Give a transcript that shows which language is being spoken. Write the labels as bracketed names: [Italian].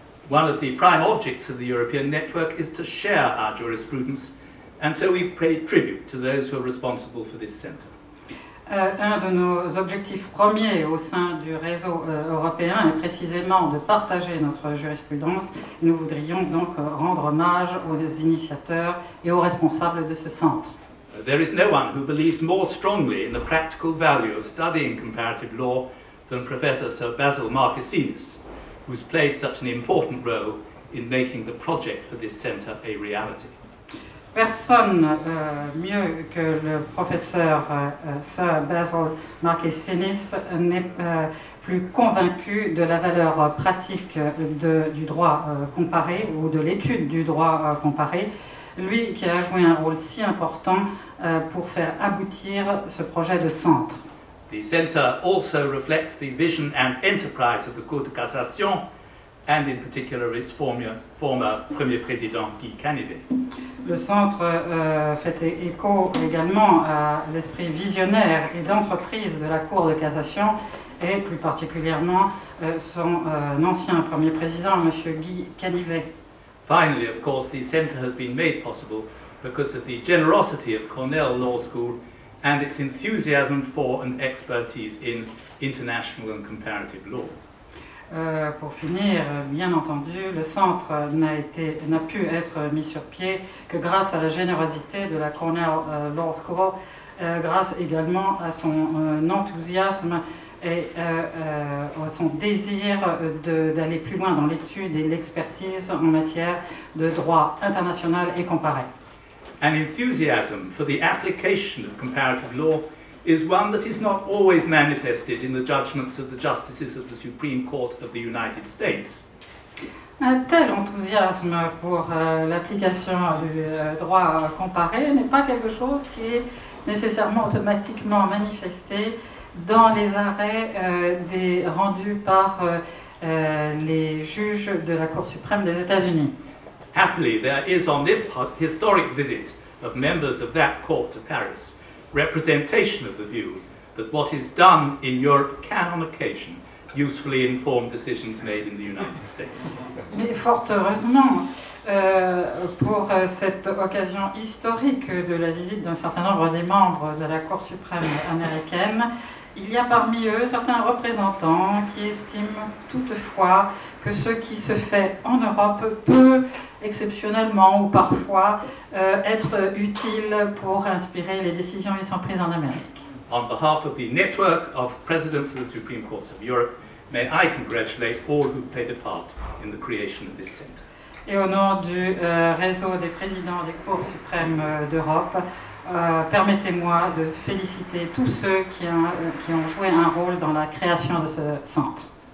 [English] One of the prime objects of the European network is to share our jurisprudence, and so we pay tribute to those who are responsible for this center. [French] Un de nos objectifs premiers au sein du réseau européen est précisément de partager notre jurisprudence. Nous voudrions donc rendre hommage aux initiateurs et aux responsables de ce centre. [English] There is no one who believes more strongly in the practical value of studying comparative law than Professor Sir Basil Marquesinis, who's played such an important role in making the project for this centre a reality. [French] Personne mieux que le professeur Sir Basil Marquesinis n'est plus convaincu de la valeur pratique du droit comparé ou de l'étude du droit comparé. Lui qui a joué un rôle si important pour faire aboutir ce projet de centre. [English] The centre also reflects the vision and enterprise of the Cour de Cassation, and in particular its former Premier Président Guy Canivet. [French] Le centre fait écho également à l'esprit visionnaire et d'entreprise de la Cour de Cassation, et plus particulièrement son ancien Premier Président, Monsieur Guy Canivet. [English] Finally, of course, the centre has been made possible because of the generosity of Cornell Law School and its enthusiasm for and expertise in international and comparative law. [French] Pour finir, bien entendu, le centre n'a pu être mis sur pied que grâce à la générosité de la Cornell Law School, grâce également à son enthousiasme et son désir d'aller plus loin dans l'étude et l'expertise en matière de droit international et comparé. [English] An enthusiasm for the application of comparative law is one that is not always manifested in the judgments of the justices of the Supreme Court of the United States. [French] Un tel enthousiasme pour l'application du droit comparé n'est pas quelque chose qui est nécessairement automatiquement manifesté dans les arrêts rendus par les juges de la Cour suprême des États-Unis. [English] Happily, there is on this historic visit of members of that court to Paris representation of the view that what is done in Europe can on occasion usefully inform decisions made in the United States. [French] Mais fort heureusement, pour cette occasion historique de la visite d'un certain nombre des membres de la Cour suprême américaine, il y a parmi eux certains représentants qui estiment toutefois que ce qui se fait en Europe peut exceptionnellement ou parfois être utile pour inspirer les décisions qui sont prises en Amérique. [English] On behalf of the network of presidents of the Supreme Courts of Europe, may I congratulate all who played a part in the creation of this center. [French] Et au nom du réseau des présidents des Cours suprêmes d'Europe, permettez-moi de féliciter tous ceux qui ont joué un rôle dans la création de ce centre.